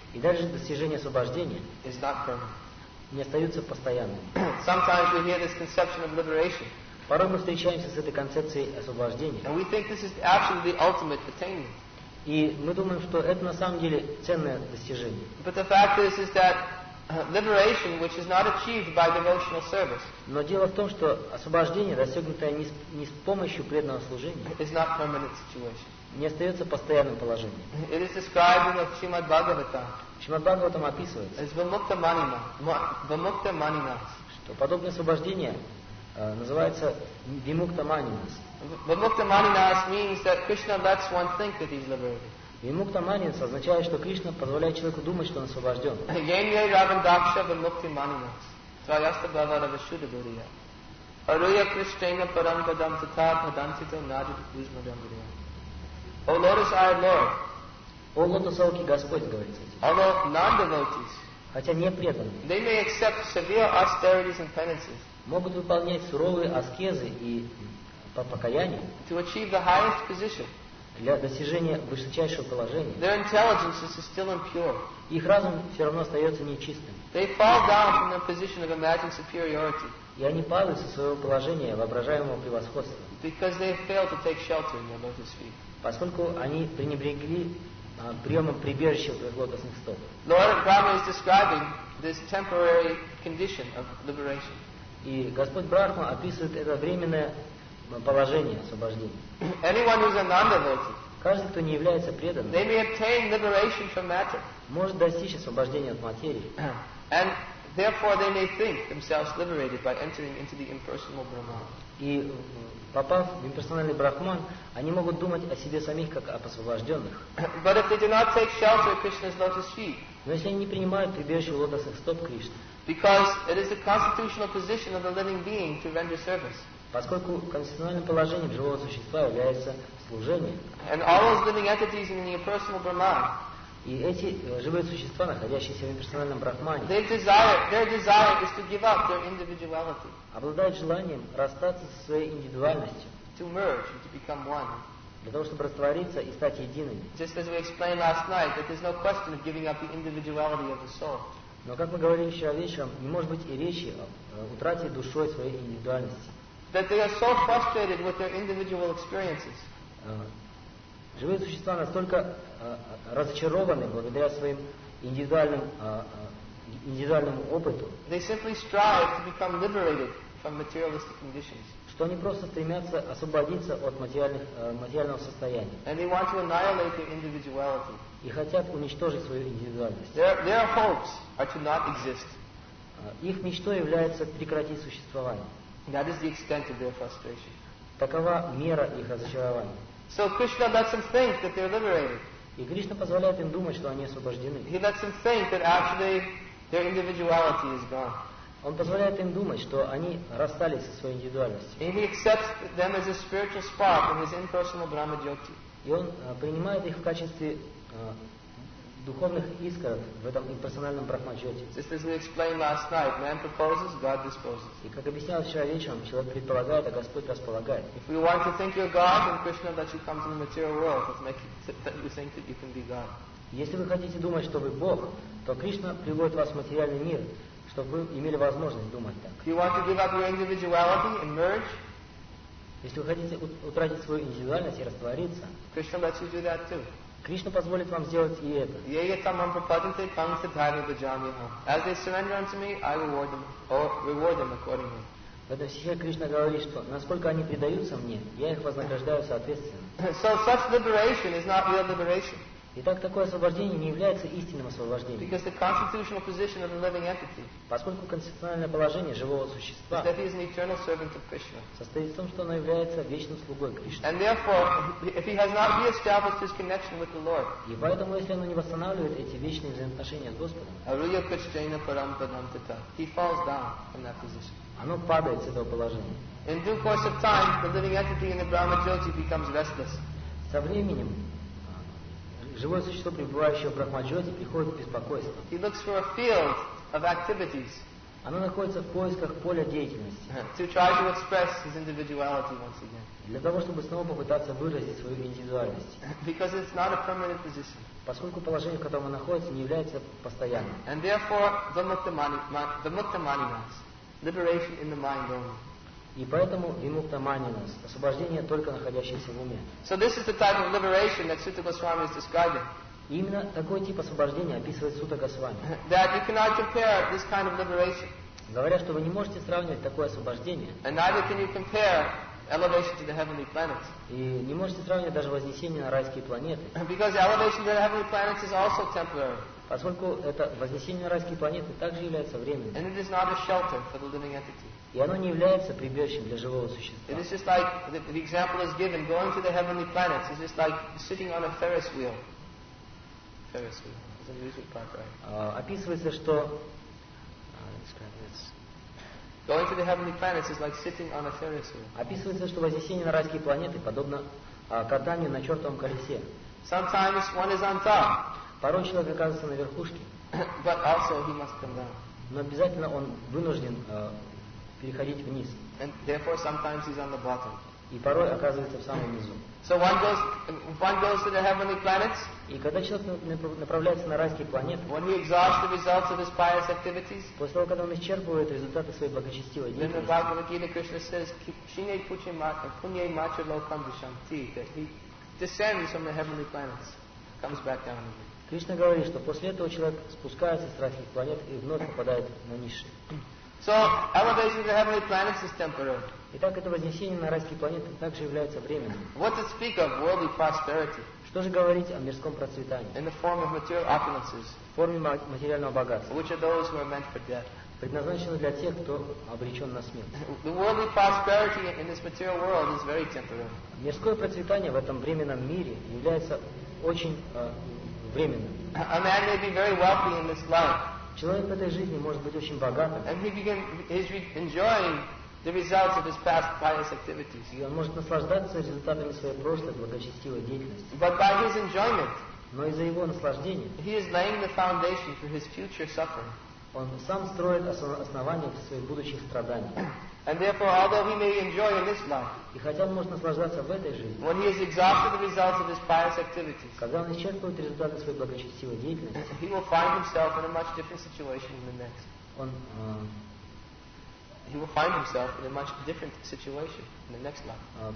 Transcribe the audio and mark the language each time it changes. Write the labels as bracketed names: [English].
[Russian] и даже достижение освобождения, [English] is not permanent. [Russian] Не остаются постоянными. [English] Sometimes we hear this conception of liberation. [Russian] Порой мы встречаемся с этой концепцией освобождения. [English] And we think this is absolutely ultimate attainment. [Russian] И мы думаем, что это на самом деле ценное достижение. [English] But the fact is that liberation, which is not achieved by devotional service, [Russian] но дело в том, что освобождение, достигнутое не с помощью преданного служения, [English] is not permanent situation. [Russian] Не остается постоянным положением. [English] It is described in the Srimad Bhagavatam. [Russian] Srimad Bhagavatam описывается. [English] As vimukta manina, vimukta maninas. [Russian] Что подобное освобождение называется vimukta maninas. [English] Vimukta maninas means that Krishna lets one think that he's liberated. [Russian] Vimukta manins означает, что Кришна позволяет человеку думать, что он освобожден. [Sanskrit] Yenye ravan daksha vimukti maninas. Trayasta bhavara vishuddha buriya. Aruya krishtena param padam tata padantita nadit kuzma dhamburiya. [English] O lotus eyed lord. [Russian] О лотосовки Господь, говорит этим. [English] Although non-devotees, [Russian] хотя не преданные, [English] they may accept severe austerities and penances, [Russian] могут выполнять суровые аскезы и покаяние, [English] to achieve the highest position, [Russian] для достижения высочайшего положения, [English] their intelligence is still impure, [Russian] их разум все равно остается нечистым, [English] they fall down from their position of imagined superiority, [Russian] и они падают со своего положения воображаемого превосходства, [English] because they failed to take shelter in their lotus feet, [Russian] поскольку они пренебрегли приемом прибежища в твоих лотосных стоп. [English] Lord Brahma is describing this temporary condition of liberation. [Russian] И Господь Брахма описывает это временное положение освобождения. [English] Anyone who is a non-devotee, [Russian] каждый, кто не является преданным, [English] they may obtain liberation from matter, [Russian] может достичь освобождения от материи. [English] And therefore they may think themselves liberated by entering into the impersonal Brahma. [Russian] И попав в имперсональный брахман, они могут думать о себе самих как о освобожденных. [English] But if they do not take shelter of Krishna's lotus feet, [Russian] но если они не принимают прибежище лотосных стоп Кришны, [English] because it is the constitutional position of the living being to render service, [Russian] поскольку конституциональным положением живого существа является служение, [English] and all those living entities in the impersonal Brahman, [Russian] и эти живые существа, находящиеся в имперсональном брахмане, [English] their desire is to give up their individuality, [Russian] обладают желанием расстаться со своей индивидуальностью, [English] to merge and to become one, [Russian] для того, чтобы раствориться и стать единым. [English] Just as we explained last night, that there's no question of giving up the individuality of the soul. [Russian] Но как мы говорили вчера вечером, не может быть и речи о утрате душой своей индивидуальности. [English] That they are so frustrated with their individual experiences. [Russian] Живые существа настолько разочарованы благодаря своим индивидуальному опыту, [English] they simply strive to become liberated from materialistic conditions, [Russian] что они просто стремятся освободиться от материального состояния. [English] And they want to annihilate their individuality. [Russian] И хотят уничтожить свою индивидуальность. [English] Their hopes are to not exist. [Russian] Их мечтой является прекратить существование. [English] That is the extent of their frustration. [Russian] Такова мера их разочарования. [English] So Krishna lets them think that they're liberated. [Russian] И Кришна позволяет им думать, что они освобождены. [English] He lets them think that actually their individuality is gone. [Russian] Он позволяет им думать, что они расстались со своей индивидуальностью. [English] And he accepts them as a spiritual spark in his impersonal Brahma Jyoti. [Russian] И он принимает их в качестве духовных искр в этом имперсональном брахмачете. [English] Just as we explained last night, man proposes, God disposes. [Russian] И как объяснялось вчера вечером, человек предполагает, а Господь располагает. [English] If we want to think you're God, then Krishna lets you come to the material world to make you think that you can be God. [Russian] Если вы хотите думать, что вы Бог, то Кришна приводит вас в материальный мир, чтобы вы имели возможность думать так. [English] If you want to give up your individuality and merge, [Russian] если вы хотите утратить свою индивидуальность и раствориться, [English] Krishna lets you do that too. [Russian] Кришна позволит вам сделать и это. [English] As they surrender unto me, I reward them, or reward them accordingly. [Russian] Когда все Кришна говорит, что насколько они предаются мне, я их вознаграждаю соответственно. [English] So such liberation is not real liberation. [Russian] Итак, такое освобождение не является истинным освобождением. [English] Because the constitutional position of the living entity. [Russian] Поскольку конституциональное положение живого существа. [English] That he is an eternal servant of Krishna. [Russian] Состоит в том, что оно является вечным слугой Кришны. [English] And therefore, if he has not re-established his connection with the Lord. [Russian] И поэтому, если оно не восстанавливает эти вечные взаимоотношения с Господом. [Sanskrit] Arya Kachchena Param Padam Tata. [English] He falls down from that position. [Russian] Оно падает с этого положения. [English] In due course of time, the living entity in the Brahma Jyoti becomes restless. [Russian] Со временем живое существо, пребывающее в брахмаджоте, приходит в беспокойство. [English] He looks for a field of activities. [Russian] Оно находится в поисках поля деятельности. [English] To try to express his individuality once again. [Russian] Для того, чтобы снова попытаться выразить свою индивидуальность. [English] Because it's not a permanent position. [Russian] Поскольку положение, в котором он находится, не является постоянным. [English] And therefore, the mukta maninas, liberation in the mind only. [Russian] И поэтому Vimukta Maninas, освобождение только находящееся в уме. [English] So this is the type of liberation that Sutta Goswami is describing. [Russian] Именно такой тип освобождения описывает Сутта Госвами. [English] That you cannot compare this kind of liberation. [Russian] Говоря, что вы не можете сравнивать такое освобождение. [English] And neither can you compare elevation to the heavenly planets. [Russian] И не можете сравнивать даже вознесение на райские планеты. [English] Because elevation to the heavenly planets is also temporary. [Russian] Поскольку это вознесение на райские планеты также является временным. [English] And it is not a shelter for the living entity. [Russian] И оно не является прибежищем для живого существа. [English] It is just like the example is given, going to the heavenly planets is just like sitting on a Ferris wheel. Ferris wheel. It's an amusement park, right? [Russian] Описывается, что [English] going to the heavenly planets is like sitting on a Ferris wheel. [Russian] Описывается, что вознесение на райские планеты подобно катанию на чертовом колесе. [English] Sometimes one is on top. [Russian] Порой человек оказывается на верхушке. [English] But also he must come down. [Russian] Но обязательно он вынужден переходить вниз. [English] And therefore sometimes he's on the bottom. [Russian] И порой оказывается в самом низу. [English] So one goes to the heavenly planets. [Russian] И когда человек направляется на райские планеты. [English] When he exhausts the results of his pious activities. [Russian] После того, когда он исчерпывает результаты своей благочестивой деятельности. [English] Then the Bhagavad Gita Krishna says, [Sanskrit] "Kshine puche ma punye macha lokam vishanti." [English] That he descends from the heavenly planets, comes back down again. [Russian] Кришна говорит, что после этого человек спускается с райских планет и вновь попадает на низшие. [English] So elevation to the heavenly planets is temporary. [Russian] Итак, это вознесение на райские планеты также является временным. [English] What to speak of worldly prosperity? [Russian] Что же говорить о мирском процветании? [English] In the form of material opulences. [Russian] В форме материального богатства. [English] Which are those who are meant for death. [Russian] Предназначены для тех, кто обречен на смерть. [English] The worldly prosperity in this material world is very temporary. [Russian] Мирское процветание в этом временном мире является очень временным. [English] A man may be very wealthy in this life. [Russian] Человек в этой жизни может быть очень богатым. [English] And he begin, he's enjoying the results of his past pious activities. [Russian] И он может наслаждаться результатами своей прошлой благочестивой деятельности. [English] But by his enjoyment, [Russian] но из-за его наслаждения, [English] he is laying the foundation for his future suffering. [Russian] Он сам строит основание для своих будущих страданий. [English] And therefore, although he may enjoy in this life, [Russian] и хотя он может наслаждаться в этой жизни, [English] when he has exhausted the results of his pious activities, [Russian] когда он исчерпывает результаты своей благочестивой деятельности, [English] he will find himself in a much different situation than the next. [Russian] Он, [English] he will find himself in a much different situation in the next life.